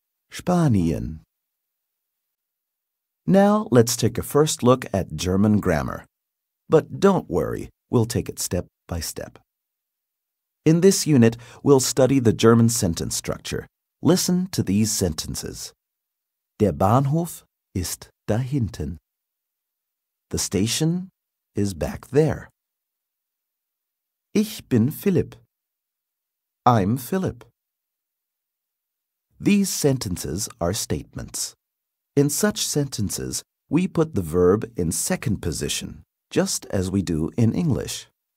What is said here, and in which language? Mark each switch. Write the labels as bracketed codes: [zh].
[de] Spanien. [en] Now let's take a first look at German grammar. But don't worry, we'll take it step by step. In this unit, we'll study the German sentence structure. Listen to these sentences. [de] Der Bahnhof ist da hinten. [en] The station is back there. [de] Ich bin Philipp. [en] I'm Philipp. These sentences are statements. In such sentences, we put the verb in second position, just as we do in English.